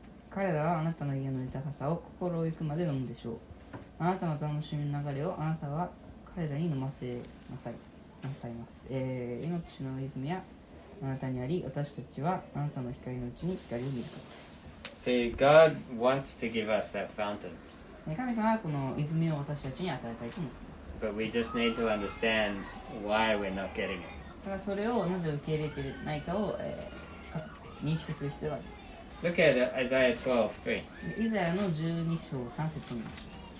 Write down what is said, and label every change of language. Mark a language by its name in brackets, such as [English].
[Japanese] 彼らはあなたの家の豊かさを心を行くまで飲むでしょう。あなたの楽しみの流れをあなたは彼らに飲ませなさい、なさいます。命の泉やあなたにあり、私たちはあなたの光のうちに光を見る。 [English] See, God wants to give us that fountain. [Japanese] 神様はこの泉を私たちに与えたいと思っています。 [English] But we just need to understand why we're not getting it. [Japanese] ただそれをなぜ受け入れてないかを、認識する必要がある。 [English] Look at Isaiah 12:3. [Japanese] イザヤの12章3節を見ましょう。